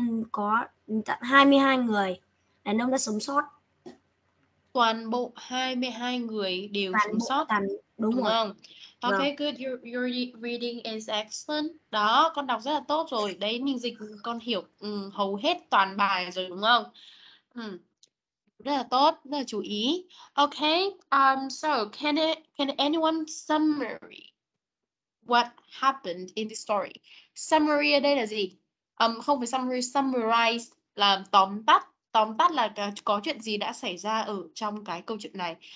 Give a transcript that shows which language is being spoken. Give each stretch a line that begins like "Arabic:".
Vietnamese: có tận 22 người đàn ông đã sống sót. Toàn bộ 22 người đều toàn sống sót. Đúng rồi. Không?
English: Ok, good. Your reading is excellent.
Vietnamese: Đó, con đọc rất là tốt rồi. Đấy, mình dịch con hiểu hầu hết toàn bài rồi đúng không? Rất là tốt, rất là chú ý.
English: Ok, so can anyone summary what happened in the story?
Vietnamese: Summary ở đây là gì? Không phải summary, summarize là tóm tắt. Tóm tắt là có chuyện gì đã xảy ra ở trong cái câu chuyện này.